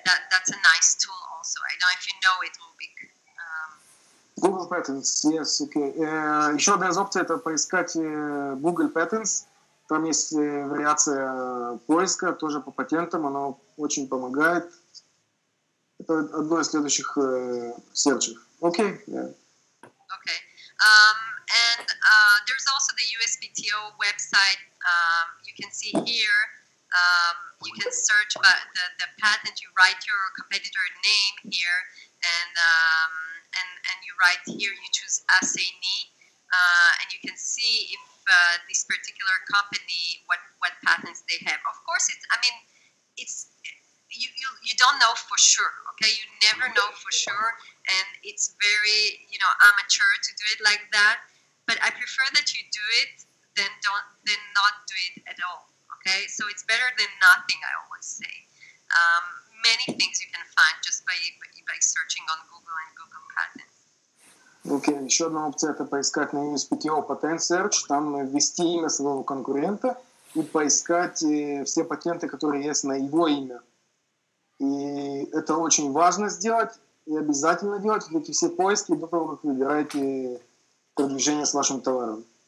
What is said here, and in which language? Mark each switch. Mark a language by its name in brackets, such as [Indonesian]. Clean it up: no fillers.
[English] That's a nice tool also. I don't know if you know it, Rubik. Google Patents, yes, okay. [Russian] Еще одна из опций — это поискать Google Patents. Там есть вариация поиска, тоже по патентам, оно очень помогает. Это одно из следующих серчей. Окей. Окей. [English] And there's also the USPTO website. You can see here, you can search by the patent, you write your competitor name here, and you write here, you choose assignee, and you can see if this particular company, what patents they have. Of course, you don't know for sure, okay? You never know for sure, and it's very, you know, amateur to do it like that. But I prefer that you do it than not do it at all, okay? So it's better than nothing, I always say. Many things you can find just by searching on Google and Google Patents. [Russian] Окей, еще одна опция — это поискать на USPTO Patent Search, там ввести имя своего конкурента и поискать все патенты, которые есть на его имя. И это очень важно сделать и обязательно делать эти все поиски до того, как выбираете продвижение с вашим товаром.